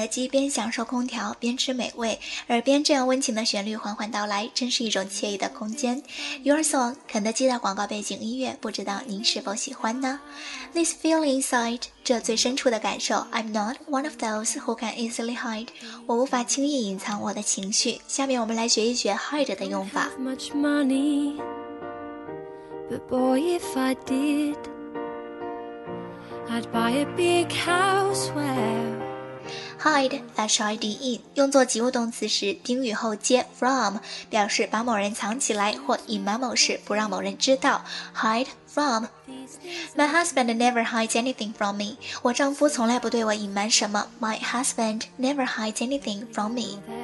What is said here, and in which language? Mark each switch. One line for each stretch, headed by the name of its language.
Chinese: 边享受空调边吃美味，耳边这样温情的旋律缓缓到来，真是一种惬意的空间。 Your song 肯德基的广告背景音乐，不知道您是否喜欢呢？
English: This feeling inside，
Chinese: 这最深处的感受。
English: I'm not one of those who can easily hide，
Chinese: 我无法轻易隐藏我的情绪。下面我们来学一学 hide 的用法。
English: I don't have much money, but boy, if I did, I'd buy a big house where
Chinese: Hide, H-I-D-E, 用作及物动词时，宾语后接 from, 表示把某人藏起来或隐瞒某事，不让某人知道。
English: Hide from. My husband never hides anything from me.
Chinese: 我丈夫从来不对我隐瞒什么。
English: My husband never hides anything from me.